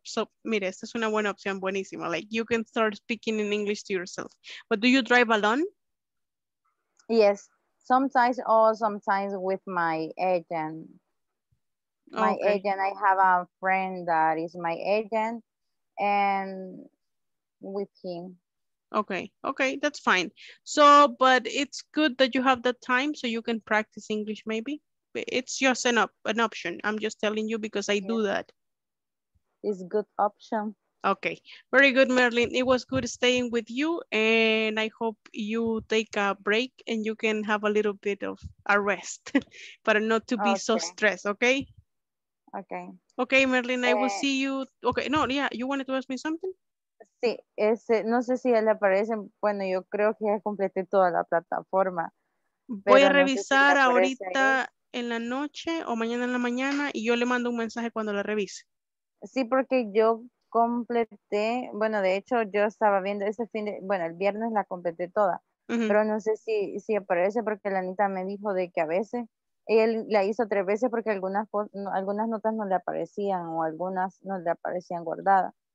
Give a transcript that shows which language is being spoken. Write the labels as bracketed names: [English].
[Spanish] So, mire, esta es una buena opción, buenísima. [English] Like, you can start speaking in English to yourself. But do you drive alone? Yes, sometimes or sometimes with my agent. My okay. agent, I have a friend that is my agent. And... with him. Okay, that's fine. So, but it's good that you have that time so you can practice English maybe. It's just an option. I'm just telling you because I do that. It's a good option. Okay, very good, Merlin. It was good staying with you and I hope you take a break and you can have a little bit of a rest, but not to be so stressed, okay? Okay, Merlin, I will see you. Okay, no, yeah, you wanted to ask me something? [Spanish] Sí, no sé si ya le aparecen. Bueno, yo creo que ya completé toda la plataforma. Voy a revisar ahorita en la noche o mañana en la mañana y yo le mando un mensaje cuando la revise. Sí, porque yo completé, bueno, de hecho yo estaba viendo ese fin de, bueno, el viernes la completé toda, pero no sé si aparece porque la Anita me dijo de que a veces, ella la hizo 3 veces porque algunas notas no le aparecían o algunas no le aparecían guardadas.